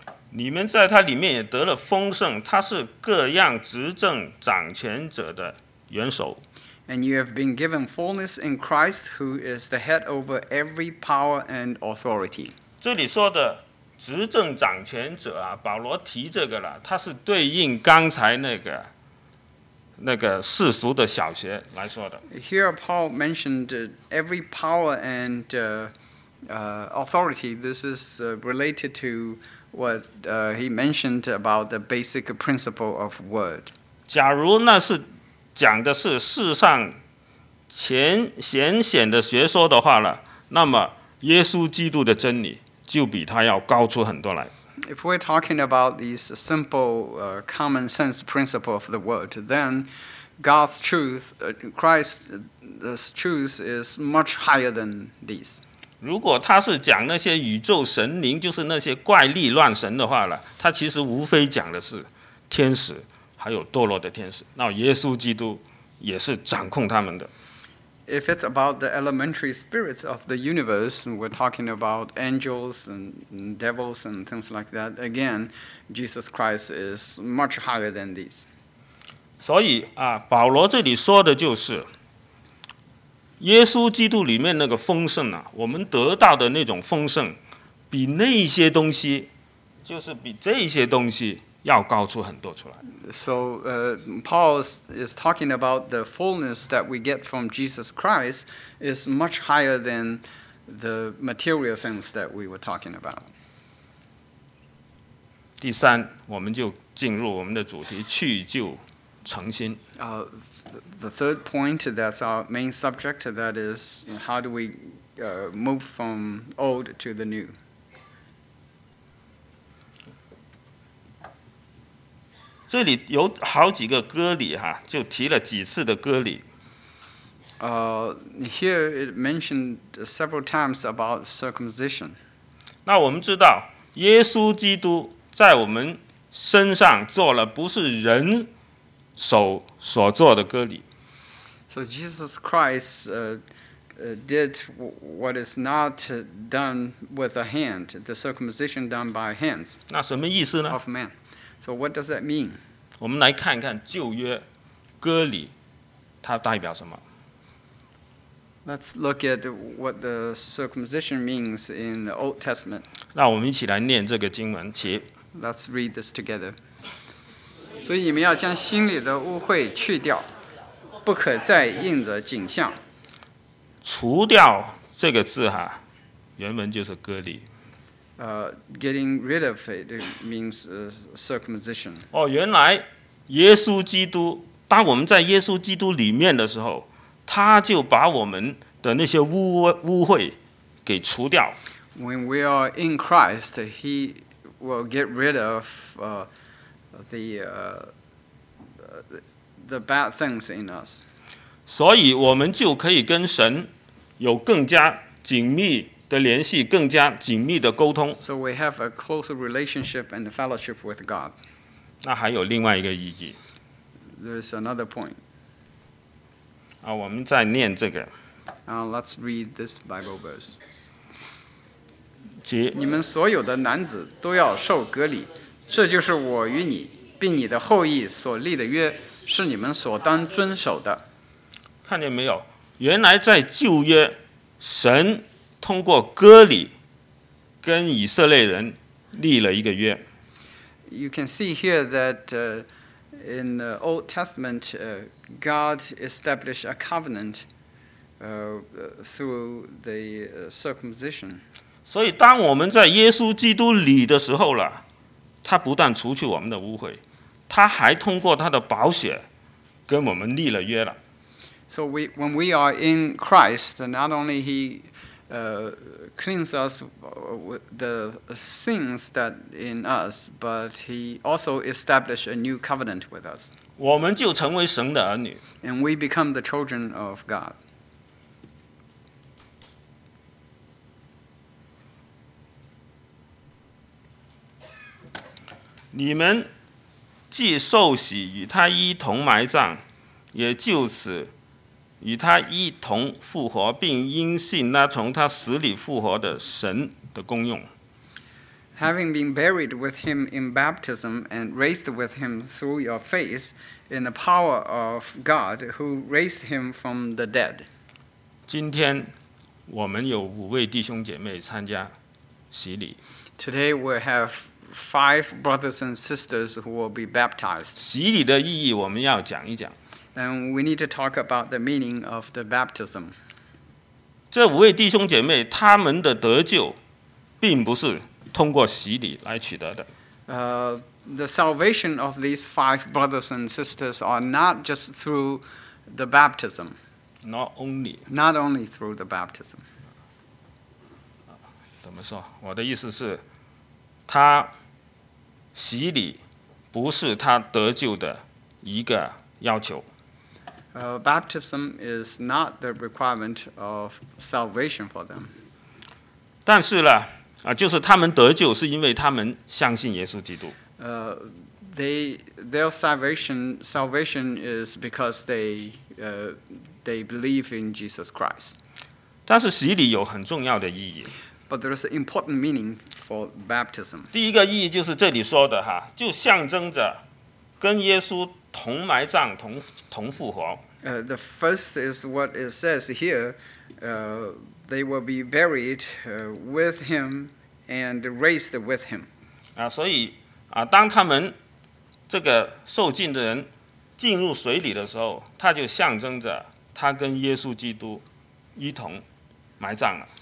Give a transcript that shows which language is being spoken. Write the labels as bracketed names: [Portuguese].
[Chinese] 你们在他里面也得了丰盛，他是各样执政掌权者的元首。 [English] And you have been given fullness in Christ, who is the head over every power and authority. [Chinese] 这里说的执政掌权者啊，保罗提这个了，他是对应刚才那个世俗的小学来说的。 [English] Here Paul mentioned every power and authority. This is related to what he mentioned about the basic principle of word. [Chinese] 假如那是讲的是世上浅显的学说的话了，那么耶稣基督的真理就比他要高出很多来。 [English] If we're talking about these simple, common sense principle of the word, then God's truth, Christ's truth is much higher than these. [Chinese] 如果他是讲那些宇宙神灵，就是那些怪力乱神的话了，他其实无非讲的是天使，还有堕落的天使。那耶稣基督也是掌控他们的。 [English] If it's about the elementary spirits of the universe, and we're talking about angels and devils and things like that, again, Jesus Christ is much higher than these. [Chinese] 所以啊，保罗这里说的就是，耶稣基督里面那个丰盛啊，我们得到的那种丰盛，比那些东西，就是比这些东西要高出很多出来。 [English] So Paul is talking about the fullness that we get from Jesus Christ is much higher than the material things that we were talking about. [Chinese] 第三，我们就进入我们的主题，去旧成新。 [English] The third point that's our main subject, that is how do we move from old to the new. [Chinese] 这里有好几个割礼哈，就提了几次的割礼。 [English] Here it mentioned several times about circumcision. [Chinese] 那我们知道，耶稣基督在我们身上做了不是人手所做的割礼。 [English] So Jesus Christ did what is not done with a hand, the circumcision done by hands. [Chinese] 那什么意思呢 [English] ？Of man. So what does that mean? [Chinese] 我们来看看旧约割礼它代表什么。 [English] Let's look at what the circumcision means in the Old Testament. [Chinese] 那我们一起来念这个经文，起。 [English] Let's read this together. [Chinese] 所以你们要将心里的污秽去掉，不可再印着景象。除掉这个字哈，原文就是割礼。 [English] Getting rid of it means circumcision. [Chinese] 哦，原来耶稣基督，当我们在耶稣基督里面的时候，他就把我们的那些污秽给除掉。 [English] When we are in Christ, He will get rid of the bad things in us. [Chinese] 所以我们就可以跟神有更加紧密的联系，更加紧密的沟通。 [English] So we have a closer relationship and fellowship with God. [Chinese] 那还有另外一个意义。 [English] There's another point. [Chinese] 啊，我们再念这个。 [English] Let's read this Bible verse. [Chinese] 即你们所有的男子都要受割礼，这就是我与你并你的后裔所立的约，是你们所当遵守的。看见没有？原来在旧约，神通过割礼跟以色列人立了一个约。 [English] You can see here that in the Old Testament, God established a covenant through the circumcision. [Chinese] 所以当我们在耶稣基督里的时候了，他不但除去我们的污秽，他还通过他的宝血跟我们立了约了。 [English] So when we are in Christ, not only he cleans us with the sins that in us, but he also established a new covenant with us. [Chinese] 我们就成为神的儿女。 [English] And we become the children of God. [Chinese] 你们既受洗与他一同埋葬，也就此与他一同复活，并因信那从他死里复活的神的功用。 [English] Having been buried with him in baptism and raised with him through your faith in the power of God who raised him from the dead. [Chinese] 今天我们有五位弟兄姐妹参加洗礼。 [English] Today we have five brothers and sisters who will be baptized. [Chinese] 洗礼的意义我们要讲一讲。 [English] And we need to talk about the meaning of the baptism. [Chinese] 这五位弟兄姐妹他们的得救并不是通过洗礼来取得的。 [English] The salvation of these five brothers and sisters are not just through the baptism. Not only through the baptism. [Chinese] 怎么说？我的意思是，他洗礼不是他得救的一个要求。 [English] Baptism is not the requirement of salvation for them. [Chinese] 但是呢，就是他们得救是因为他们相信耶稣基督。 [English] Their salvation is because they believe in Jesus Christ. [Chinese] 但是洗礼有很重要的意义。 [English] But there is an important meaning for baptism. [Chinese] 第一个意义就是这里说的哈，就象征着跟耶稣同埋葬、同复活。 [English] The first is what it says here. They will be buried with him and raised with him. [Chinese] 所以当他们这个受浸的人进入水里的时候，他就象征着他跟耶稣基督一同埋葬了。